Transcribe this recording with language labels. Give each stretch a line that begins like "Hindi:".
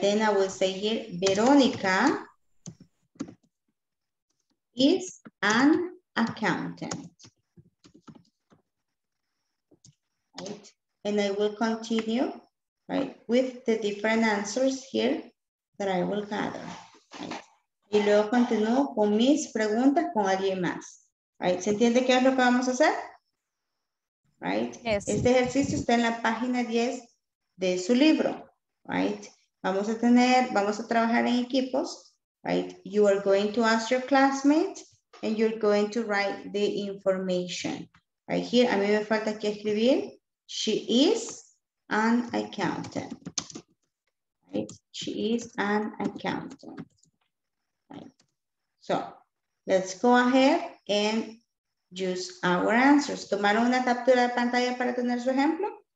English: Then I will say here, Veronica is an accountant. Right? And I will continue, right, with the different answers here that I will gather. Right?
Spanish: Y luego continúo con mis preguntas con alguien más. Right? ¿Se entiende qué es lo que vamos a hacer?
English: Right? Yes.
Spanish: Este ejercicio está en la página 10 de su libro. Right? Vamos a trabajar en equipos. Right?
English: You are going to ask your classmate and you're going to write the information. Right here,
Spanish: a mí me falta aquí escribir.
English: She is an accountant. Right? She is an accountant. Right. So, let's go ahead and use our answers.
Spanish: ¿Tomaron una captura de pantalla para tener su ejemplo?